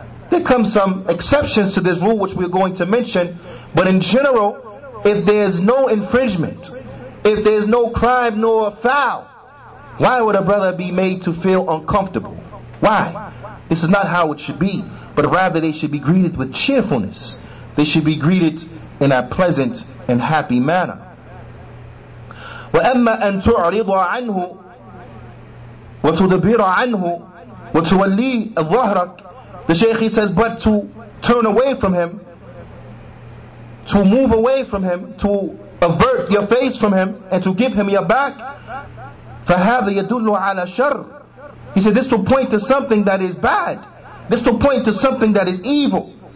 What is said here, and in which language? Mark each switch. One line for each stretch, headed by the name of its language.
English: There come some exceptions to this rule which we're going to mention, but in general, if there's no infringement, if there's no crime nor foul, why would a brother be made to feel uncomfortable? Why? This is not how it should be, but rather they should be greeted with cheerfulness. They should be greeted in a pleasant and happy manner.
Arabic: وَأَمَّا أَن تُعْرِضَ عَنْهُ وَتُدَبِّرَ عَنْهُ وَتُوَلِّي الظَّهْرَكَ.
English: The Shaykh, he says, but to turn away from him, to move away from him, to avert your face from him, and to give him your back,
Arabic: فَهَذَا يَدُلُّ عَلَى شَرٍّ.
English: He said, this will point to something that is bad. This will point to something that is evil.